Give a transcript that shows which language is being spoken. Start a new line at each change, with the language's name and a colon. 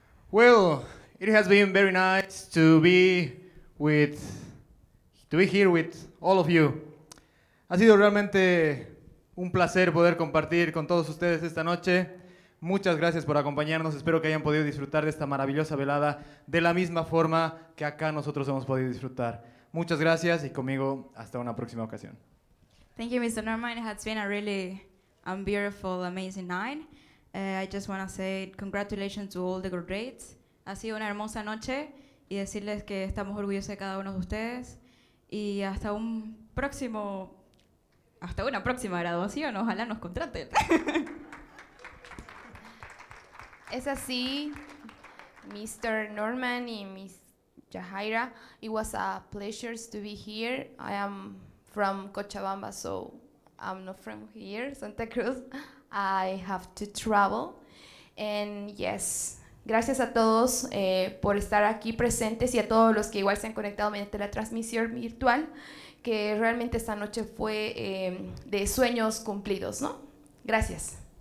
English: Well, it has been very nice to be with, to be here with all of you.
Spanish: Ha sido realmente un placer poder compartir con todos ustedes esta noche. Muchas gracias por acompañarnos. Espero que hayan podido disfrutar de esta maravillosa velada de la misma forma que acá nosotros hemos podido disfrutar. Muchas gracias y conmigo hasta una próxima ocasión.
English: Thank you, Mr. Norman. It has been a really beautiful, amazing night. I just want to say congratulations to all the graduates.
Spanish: Ha sido una hermosa noche y decirles que estamos orgullosos de cada uno de ustedes y hasta un próximo, hasta una próxima graduación, ojalá nos contraten. Es así, Mr. Norman y Miss Yahaira.
English: It was a pleasure to be here. I am from Cochabamba, so I'm not from here, Santa Cruz. I have to travel, and yes,
Spanish: gracias a todos por estar aquí presentes y a todos los que igual se han conectado mediante la transmisión virtual, que realmente esta noche fue de sueños cumplidos, ¿no? Gracias.